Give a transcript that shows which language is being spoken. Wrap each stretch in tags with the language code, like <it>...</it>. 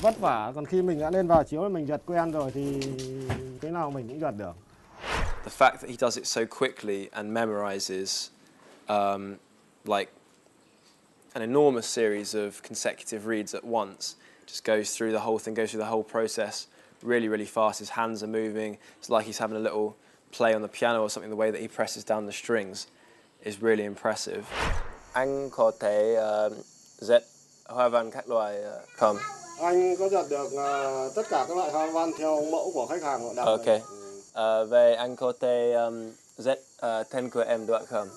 <vi>vất vả, còn khi mình đã lên vào chiếu mình giật quen rồi thì thế nào mình cũng giật được.</vi> <en>The fact that he does it so quickly and memorizes like an enormous series of consecutive reads at once, just goes through the whole thing, goes through the whole process really, really fast. His hands are moving. It's like he's having a little play on the piano or something. The way that he presses down the strings is really impressive.</en> <vi>Anh có thể dệt hoa văn các loại không? Anh có dệt được tất cả các loại hoa văn theo mẫu của khách hàng họ đặt.</vi> <en>Okay.</en> <vi>Về anh có thể dệt tên của em được không?</vi>